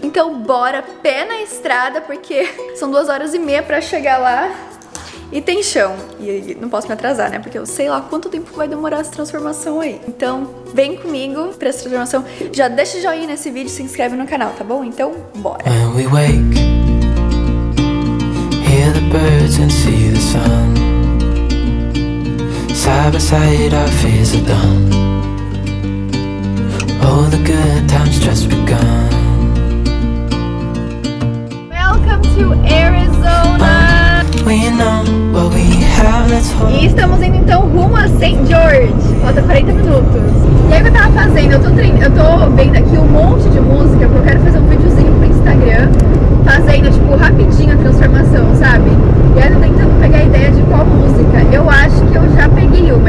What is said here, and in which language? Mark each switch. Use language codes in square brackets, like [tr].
[pt] Então, bora, pé na estrada, porque são 2h30 pra chegar lá. E tem chão. E não posso me atrasar, né? Porque eu sei lá quanto tempo vai demorar essa transformação aí. Então, vem comigo pra essa transformação. Já deixa o joinha nesse vídeo e se inscreve no canal, tá bom? Então, bora. [en] When we wake, hear the birds and see the sun. Side by side, our fears are done. All the good times just begun. Welcome to Arizona. We know what we have, let's hope. [pt] E estamos indo então rumo a St. George. Falta 40 minutos. E aí, o que eu tava fazendo? Eu tô vendo aqui um monte de música, porque eu quero fazer um videozinho pro Instagram, fazendo tipo rapidinho a transformação, sabe? E aí eu tô tentando pegar a ideia de qual música. Eu acho que eu já peguei uma.